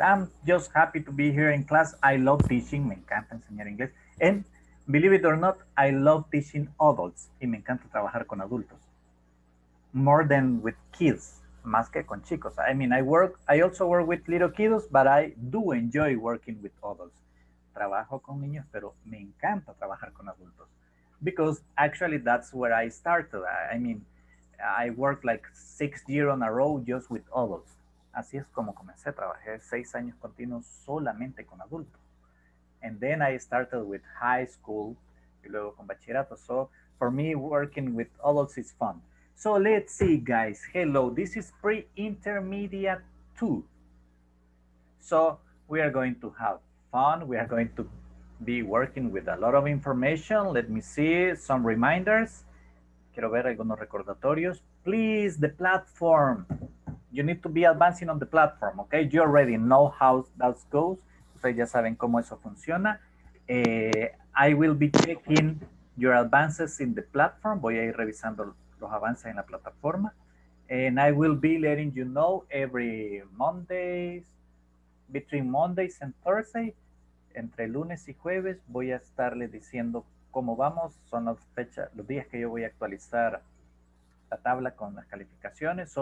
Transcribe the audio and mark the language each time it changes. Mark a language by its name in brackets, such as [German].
[English] I'm just happy to be here in class. I love teaching. [Spanish] Me encanta enseñar inglés. [English] And believe it or not, I love teaching adults. [Spanish] Y me encanta trabajar con adultos. [English] More than with kids. [Spanish] Más que con chicos. [English] I mean, I also work with little kids, but I do enjoy working with adults. [Spanish] Trabajo con niños, pero me encanta trabajar con adultos. [English] Because actually that's where I started. I mean, I worked like 6 years in a row just with adults. [Spanish] Así es como comencé. Trabajé 6 años continuos solamente con adultos. [English] And then I started with high school [Spanish] y luego con bachillerato. [English] So for me, working with adults is fun. So let's see, guys. Hello, this is pre-intermediate 2. So we are going to have fun. We are going to be working with a lot of information. Let me see some reminders. [Spanish] Quiero ver algunos recordatorios. [English] Please, the platform. You need to be advancing on the platform, okay? You already know how that goes. [Spanish] Ustedes ya saben cómo eso funciona. [English] I will be checking your advances in the platform. [Spanish] Voy a ir revisando los avances en la plataforma. [English] And I will be letting you know every Mondays, between Mondays and Thursday, [Spanish] entre lunes y jueves, voy a estarle diciendo cómo vamos. Son las fechas, los días que yo voy a actualizar la tabla con las calificaciones.